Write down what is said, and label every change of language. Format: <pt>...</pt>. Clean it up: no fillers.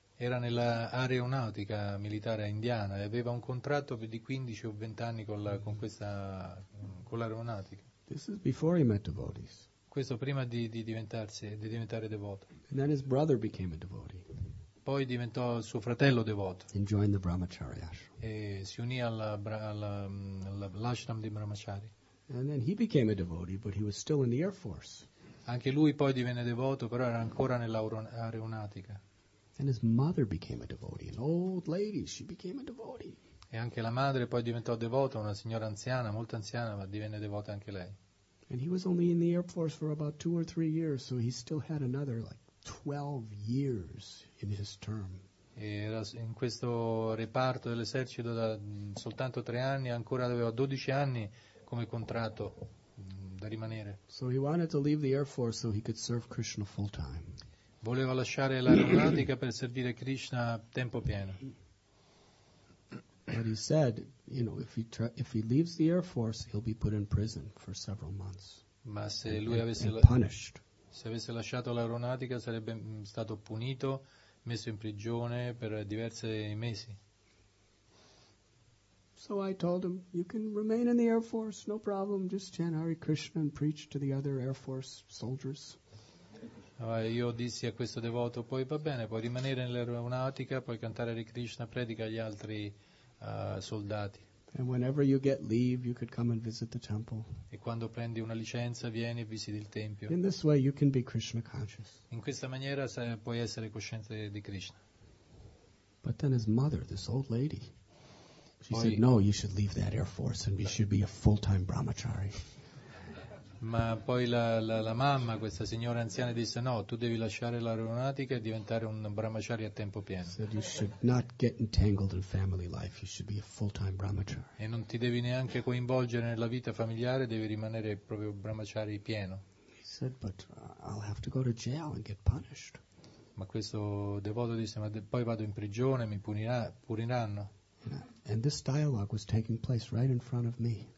<it>Era nella aeronautica militare indiana e aveva un contratto di 15 o 20 anni con l'aeronautica.</it> <en>This is before he met devotees.</en> <it>Questo prima di diventare devoto.</it> <en>And then his brother became a devotee.</en> <it>Poi diventò suo fratello devoto.</it> <en>And joined the Brahmacharya ashram.</en> <it>E si unì all'ashram di Brahmachari.</it> <en>And then he became a devotee, but he was still in the Air Force.</en> <it>Anche lui poi divenne devoto, però era ancora nell'aeronautica.</it> <en>And his mother became a devotee, an old lady, she became a devotee.</en> <it>E anche la madre poi diventò devota, una signora anziana, molto anziana, ma divenne devota anche lei.</it> <en>And he was only in the Air Force for about 2 or 3 years, so he still had another like 12 years in his term.</en> <it>Era in questo reparto dell'esercito da soltanto 3 anni, ancora aveva 12 anni come contratto da rimanere.</it> <en>So he wanted to leave the Air Force so he could serve Krishna full time.</en> <it>Voleva lasciare l'aeronautica per servire Krishna a tempo pieno.</it> <en>But he said, you know, if he leaves the Air Force, he'll be put in prison for several months.</en> <it>Ma se lui avesse</it> <en>punished.</en> <it>Se avesse lasciato l'aeronautica sarebbe stato punito, messo in prigione per diversi mesi.</it> <en>So I told him, you can remain in the Air Force, no problem, just chant Hare Krishna and preach to the other Air Force soldiers.</en> <it>Io dissi a questo devoto, poi va bene, puoi rimanere nell'aeronautica, puoi cantare Hare Krishna, predica agli altri soldati.</it> <en>And whenever you get leave, you could come and visit the temple.</en> <it>E quando prendi una licenza, vieni e visiti il tempio.</it> <en>In this way, you can be Krishna conscious.</en> <it>In questa maniera puoi essere cosciente di Krishna.</it> <en>But then his mother, this old lady, she said, "No, you should leave that Air Force and you should be a full-time Brahmachari."</en> <it>Ma poi la mamma, questa signora anziana, disse: "No, tu devi lasciare l'aeronautica e diventare un brahmachari a tempo pieno."</it> <en>Said you should not get entangled in family life. You should be a full-time brahmachari.</en> <it>E non ti devi neanche coinvolgere nella vita familiare. Devi rimanere proprio brahmachari pieno.</it> <en>He said, "But I'll have to go to jail and get punished."</en> <it>Ma questo devoto disse: "Ma poi vado in prigione, mi puniranno."</it> <en>And this dialogue was taking place right in front of me.</en>